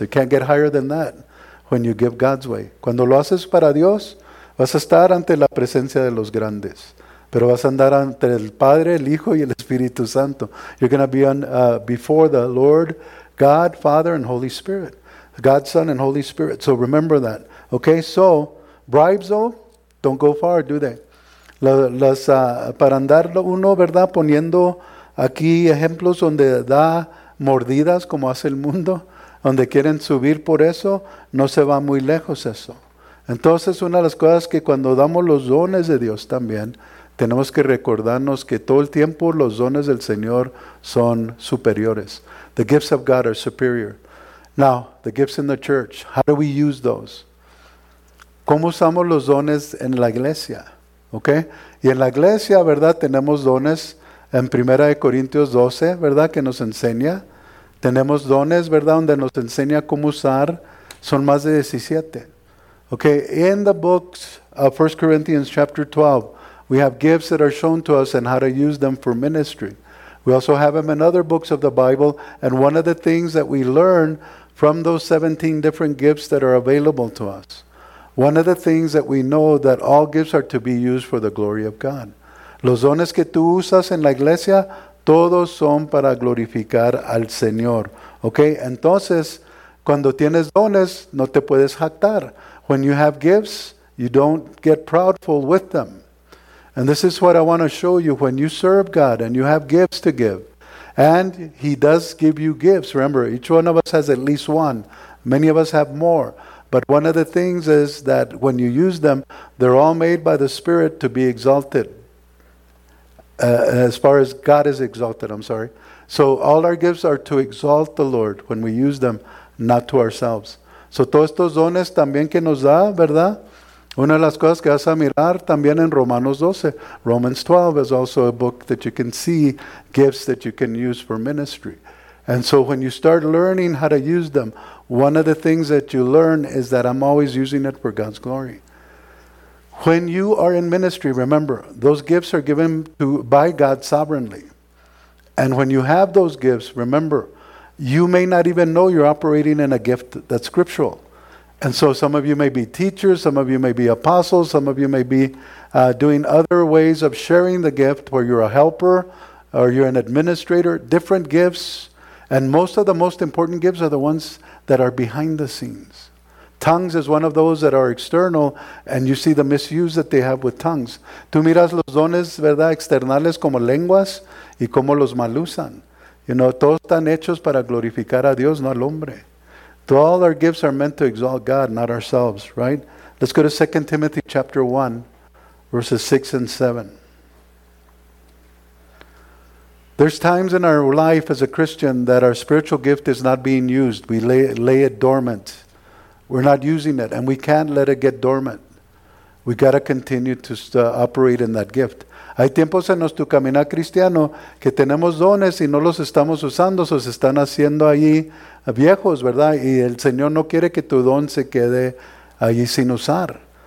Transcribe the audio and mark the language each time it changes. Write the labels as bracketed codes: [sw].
[en] It can't get higher than that when you give God's way. [es] Cuando lo haces para Dios, vas a estar ante la presencia de los grandes. Pero vas a andar ante el Padre, el Hijo y el Espíritu Santo. [en] You're going to be before the Lord, God, Father, and Holy Spirit. God, Son, and Holy Spirit. So remember that. Okay, so bribes, though, don't go far, do they? [es] Para andar uno, ¿verdad? Poniendo aquí ejemplos donde da mordidas, como hace el mundo, donde quieren subir por eso, no se va muy lejos eso. Entonces, una de las cosas que cuando damos los dones de Dios también, tenemos que recordarnos que todo el tiempo los dones del Señor son superiores. [en] The gifts of God are superior. Now, the gifts in the church, how do we use those? [es] ¿Cómo usamos los dones en la iglesia? ¿Okay? Y en la iglesia, ¿verdad? Tenemos dones en 1 Corintios 12, ¿verdad? Que nos enseña. Tenemos dones, ¿verdad? Donde nos enseña cómo usar. Son más de 17. [en] Okay, in the books of 1 Corinthians chapter 12, we have gifts that are shown to us and how to use them for ministry. We also have them in other books of the Bible. And one of the things that we learn from those 17 different gifts that are available to us, one of the things that we know that all gifts are to be used for the glory of God. Los dones que tú usas en la iglesia, todos son para glorificar al Señor. Okay, entonces, cuando tienes dones, no te puedes jactar. When you have gifts, you don't get proudful with them. And this is what I want to show you. When you serve God and you have gifts to give, and he does give you gifts. Remember, each one of us has at least one. Many of us have more. But one of the things is that when you use them, they're all made by the Spirit to be exalted. As far as God is exalted, I'm sorry. So all our gifts are to exalt the Lord when we use them, not to ourselves. [es] So todos estos dones también que nos da, ¿verdad? Una de las cosas que vas a mirar también en Romanos 12. [en] Romans 12 is also a book that you can see, gifts that you can use for ministry. And so when you start learning how to use them, one of the things that you learn is that I'm always using it for God's glory. When you are in ministry, remember, those gifts are given to by God sovereignly. And when you have those gifts, remember, you may not even know you're operating in a gift that's scriptural. And so some of you may be teachers, some of you may be apostles, some of you may be doing other ways of sharing the gift where you're a helper or you're an administrator, different gifts. And most of the most important gifts are the ones that are behind the scenes. Tongues is one of those that are external, and you see the misuse that they have with tongues. [es] Tú miras los dones, ¿verdad?, externales como lenguas y cómo los mal usan. [en] You know, [es] todos están hechos para glorificar a Dios, no al hombre. [en] All our gifts are meant to exalt God, not ourselves, right? Let's go to 2 Timothy chapter 1, verses 6 and 7. There's times in our life as a Christian that our spiritual gift is not being used. We lay it dormant. We're not using it, and we can't let it get dormant. We got to continue to operate in that gift. [es] Hay tiempos en nuestro caminar cristiano que tenemos dones y no los estamos usando, se están haciendo ahí viejos, ¿verdad? Y el Señor no quiere que tu don se quede allí sin usar.